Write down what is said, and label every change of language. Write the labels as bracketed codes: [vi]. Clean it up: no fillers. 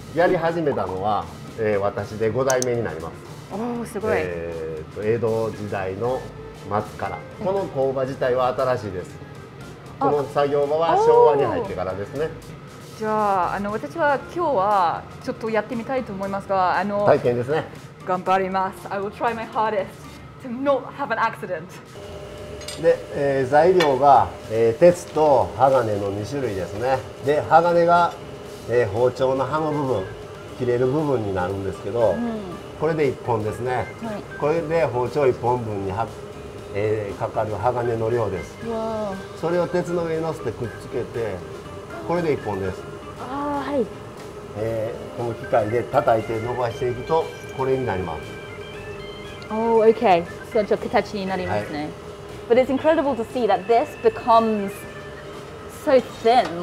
[ja] やり始めたのは、私で5代目になります。おお、すごい。江戸時代の末から。この工場自体は新しいです。この作業場は昭和に入ってからですね。じゃあ、私は今日はちょっとやってみたいと思いますが、体験ですね。頑張ります。 [en] I will try my hardest to not have an accident. [ja] で、材料が、鉄と鋼の2種類ですね。で、鋼が、包丁の刃の部分、切れる部分になるんですけど、うん、これで1本ですね、はい、これで包丁1本分には、かかる鋼の量です。わー、それを鉄の上に乗せてくっつけて、これで1本です。あー、はい。この機械で叩いて伸ばしていくとこれになります。おー、OK、 そう、ちょっと形になりますね、はい。 [en] But it's incredible to see that this becomes so thin.